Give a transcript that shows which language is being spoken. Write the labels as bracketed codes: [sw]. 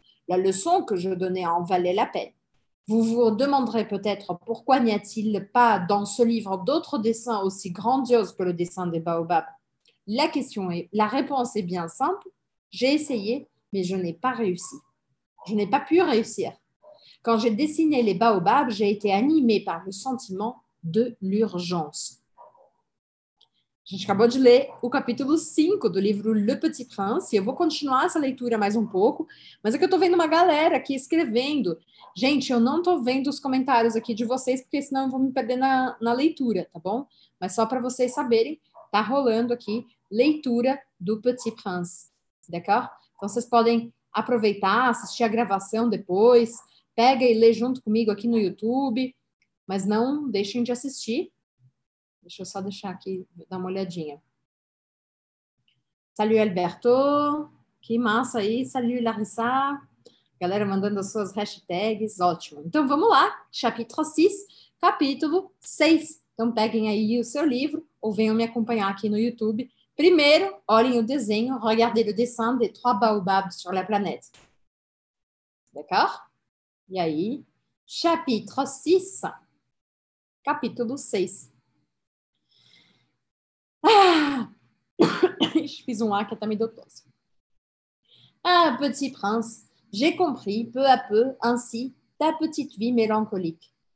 [fr] La leçon que je donnais en valait la peine. Vous vous demanderez peut-être pourquoi n'y a-t-il pas dans ce livre d'autres dessins aussi grandioses que le dessin des baobabs. La réponse est bien simple. J'ai essayé, mais je n'ai pas réussi. Je n'ai pas pu réussir. Quand j'ai dessiné les baobabs, j'ai été animée par le sentiment de l'urgence. [pt] Acabou de ler o capítulo 5 do livro Le Petit Prince. Eu vou continuar essa leitura mais um pouco, mas é que eu tô vendo uma galera aqui escrevendo. Gente, eu não tô vendo os comentários aqui de vocês, porque senão eu vou me perder na leitura, tá bom? Mas só para vocês saberem, tá rolando aqui leitura do Petit Prince, d'accord? Então vocês podem aproveitar, assistir a gravação depois, pega e lê junto comigo aqui no YouTube, mas não deixem de assistir. Deixa eu só deixar aqui, dar uma olhadinha. [fr] Salut, [pt] Alberto. Que massa aí. [fr] Salut, [pt] Larissa. Galera mandando as suas hashtags. Ótimo. Então, vamos lá. [fr] Chapitre 6, [pt] capítulo 6. Então, peguem aí o seu livro ou venham me acompanhar aqui no YouTube. Primeiro, olhem o desenho. [fr] Regardez le dessin des trois baobabs sur la planète. D'accord? [pt] E aí, [fr] chapitre 6, [pt] capítulo 6. [fr] Je fais un hack, t'as mis d'autres. Ah, petit prince, j'ai compris peu à peu ainsi ta petite vie mélancolique.